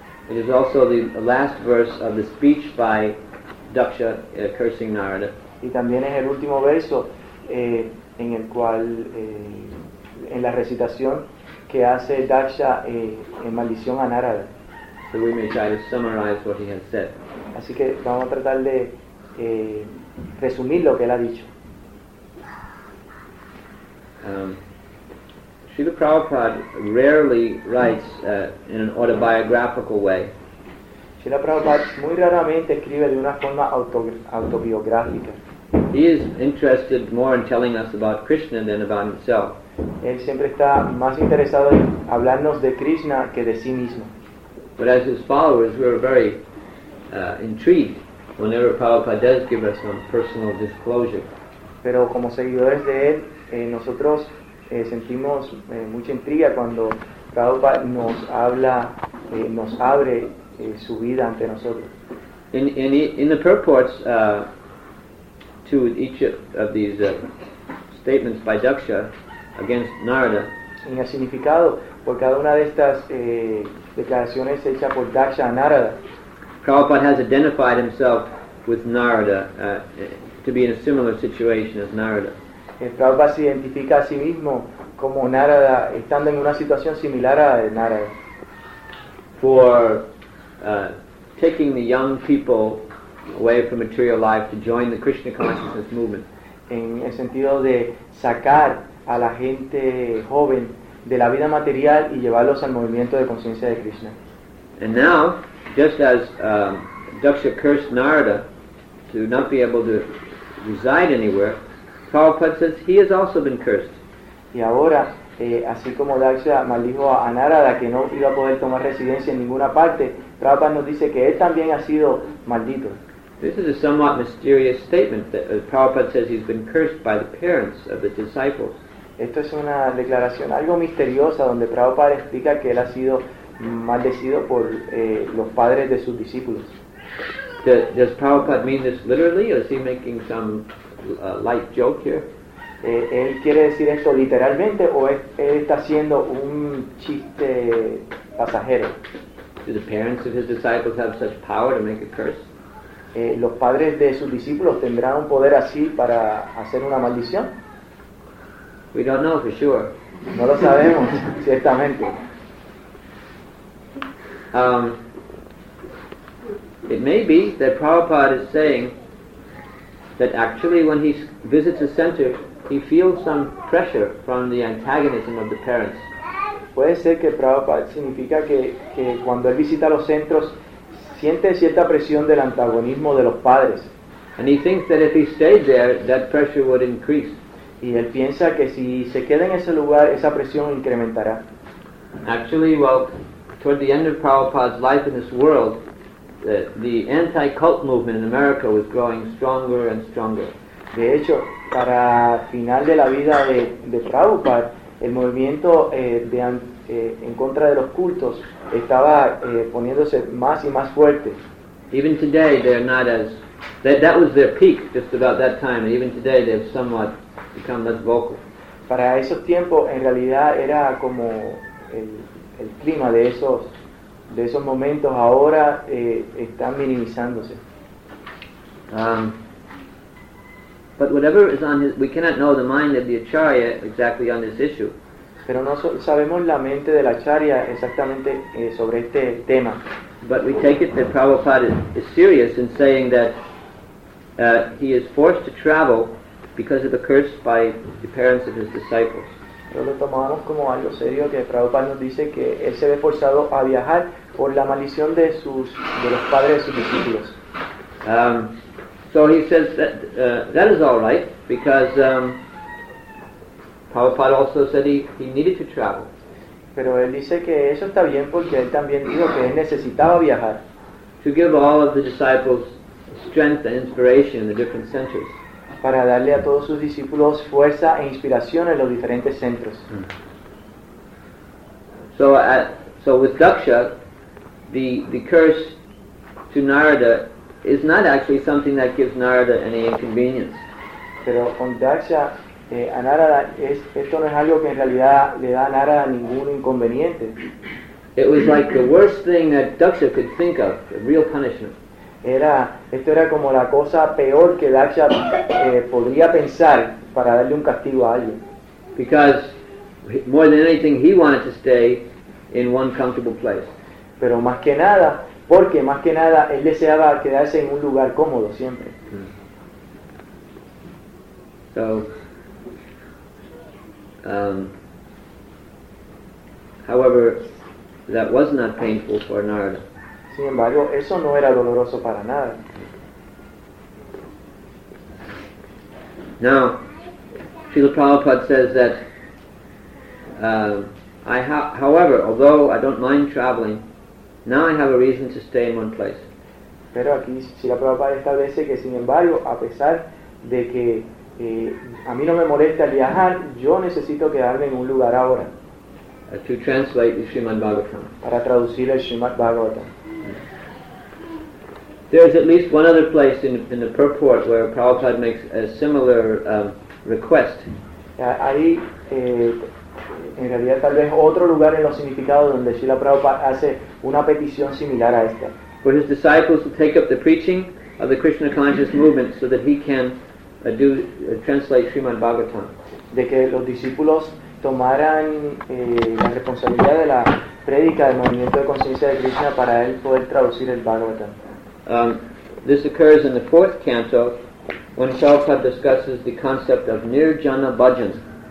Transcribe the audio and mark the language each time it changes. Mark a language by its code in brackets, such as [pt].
[en] It is also the last verse of the speech by Daksha cursing Narada. [es] Y también es el último verso en el cual en la recitación que hace Daksha en maldición a Narada. [en] So we may try to summarize what he has said. [es] Así que vamos a tratar de resumir lo que él ha dicho. [en] Srila Prabhupada rarely writes in an autobiographical way. [es] Srila Prabhupada muy raramente escribe de una forma autobiográfica. [en] He is interested more in telling us about Krishna than about himself. [es] Él siempre está más interesado en hablarnos de Krishna que de sí mismo. [en] But as his followers, we are very intrigued whenever Prabhupada does give us some personal disclosure. [es] Pero como seguidores de él, nosotros sentimos mucha intriga cuando Prabhupada nos habla, nos abre su vida ante nosotros. [en] In the purports to each of these statements by Daksha against Narada, [es] en el significado por cada una de estas declaraciones hechas por Daksha a Narada, [en] Prabhupada has identified himself with Narada to be in a similar situation as Narada. [es] El Prabhupada se identifica a sí mismo como Narada, estando en una situación similar a Narada. [en] For taking the young people away from material life to join the Krishna consciousness movement. [es] En el sentido de sacar a la gente joven de la vida material y llevarlos al movimiento de conciencia de Krishna. [en] And now, just as Daksha cursed Narada to not be able to reside anywhere, Prabhupada says he has also been cursed. [es] Y ahora, así como Daksha maldijo a Narada que no iba a poder tomar residencia en ninguna parte, Prabhupada nos dice que él también ha sido maldito. [en] This is a somewhat mysterious statement that Prabhupada says he's been cursed by the parents of the disciples. [es] Esto es una declaración algo misteriosa donde Prabhupada explica que él ha sido maldecido por los padres de sus discípulos. [en] Does Prabhupada mean this literally, or is he making some light joke here? [es] ¿Él quiere decir esto literalmente o él está haciendo un chiste pasajero? [en] Do the parents of his disciples have such power to make a curse? [es] ¿Los padres de sus discípulos tendrán un poder así para hacer una maldición? [en] We don't know for sure. [es] No lo sabemos, ciertamente. [en] It may be that Prabhupada is saying that actually when he visits a center, he feels some pressure from the antagonism of the parents. [es] Puede ser que Prabhupada significa que cuando él visita los centros siente cierta presión del antagonismo de los padres. [en] And he thinks that if he stayed there, that pressure would increase. [es] Y él piensa que si se queda en ese lugar, esa presión incrementará. [en] Actually, well, toward the end of Prabhupada's life in this world, the anti-cult movement in America was growing stronger and stronger. [es] De hecho, para final de la vida de Prabhupada, el movimiento en contra de los cultos estaba poniéndose más y más fuerte. [en] Even today, they're not as that was their peak just about that time, and even today they've somewhat become less vocal. [es] Para esos tiempos, en realidad era como el clima de esos momentos. Ahora están minimizándose. [en] But whatever is on his, we cannot know the mind of the acharya exactly on this issue. [es] Pero no sabemos la mente del acharya exactamente sobre este tema. [en] But we take it that Prabhupada is serious in saying that he is forced to travel because of the curse by the parents of his disciples. [es] Pero lo tomamos como algo serio que Prabhupada nos dice que él se ve forzado a viajar por la maldición de los padres de sus discípulos. [en] So he says that that is all right because Prabhupada also said he needed to travel. [es] Pero él dice que eso está bien porque él también dijo que él necesitaba viajar. [en] To give all of the disciples strength and inspiration in the different centers. [es] Para darle a todos sus discípulos fuerza e inspiración en los diferentes centros. [en] So with Daksha, the curse to Narada is not actually something that gives Narada any inconvenience. [es] Pero con Daksha, a Narada, esto no es algo que en realidad le da a Narada ningún inconveniente. [en] It was like the worst thing that Daksha could think of, a real punishment. [es] Esto era como la cosa peor que Daksha podría pensar para darle un castigo a alguien. [en] Because more than anything, he wanted to stay in one comfortable place. [es] Pero más que nada, porque más que nada él deseaba quedarse en un lugar cómodo siempre. [en] So, however, that was not painful for Narada. [es] Sin embargo, eso no era doloroso para nada. [en] Now, Srila Prabhupada says that, however, although I don't mind traveling, now I have a reason to stay in one place. [es] Pero aquí Srila Prabhupada establece que sin embargo, a pesar de que a mí no me molesta viajar, yo necesito quedarme en un lugar ahora. [en] To translate the Srimad Bhagavatam. [es] Para traducir el Srimad Bhagavatam. [en] There is at least one other place in the purport where Prabhupada makes a similar request. [es] Ahí, en realidad tal vez otro lugar en los significados donde Srila Prabhupada hace una petición similar a esta. [en] For his disciples to take up the preaching of the Krishna conscious movement so that he can translate Srimad Bhagavatam. [es] De que los discípulos tomaran la responsabilidad de la prédica del movimiento de conciencia de Krishna para él poder traducir el Bhagavatam. [en] This occurs in the fourth canto when Prabhupada discusses the concept of Nirjana Bhajan.